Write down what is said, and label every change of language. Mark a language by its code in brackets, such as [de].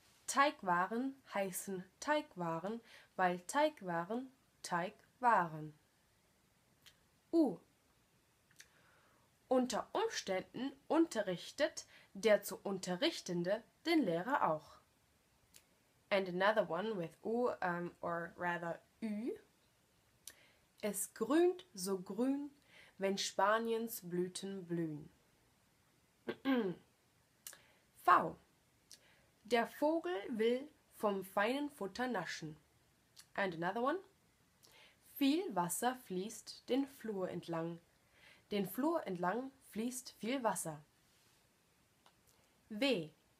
[de] Teigwaren heißen Teigwaren, weil Teigwaren Teig waren. U. Unter Umständen unterrichtet der zu Unterrichtende den Lehrer auch. [en] And another one with U, or rather Ü. [de] Es grünt so grün, wenn Spaniens Blüten blühen. V. Der Vogel will vom feinen Futter naschen. [en] And another one. [de] Viel Wasser fließt den Flur entlang. Den Flur entlang fließt viel Wasser. W.